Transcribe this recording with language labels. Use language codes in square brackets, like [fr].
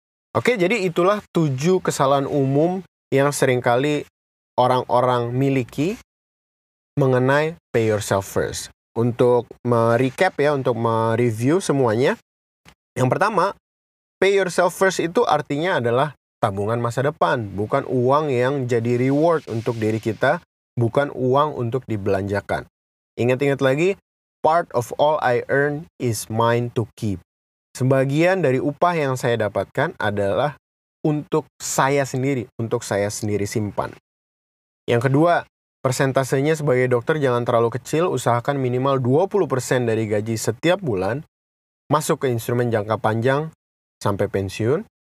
[id] Oke, jadi itulah 7 kesalahan umum yang seringkali orang-orang miliki mengenai pay yourself first. Untuk merecap ya, untuk mereview semuanya. Yang pertama, pay yourself first itu artinya adalah tabungan masa depan, bukan uang yang jadi reward untuk diri kita, bukan uang untuk dibelanjakan. Ingat-ingat lagi, [en] part of all I earn is mine to keep. [id] Sebagian dari upah yang saya dapatkan adalah untuk saya sendiri simpan. Yang kedua, persentasenya sebagai dokter jangan terlalu kecil, usahakan minimal 20% dari gaji setiap bulan masuk ke instrumen jangka panjang sampai pensiun.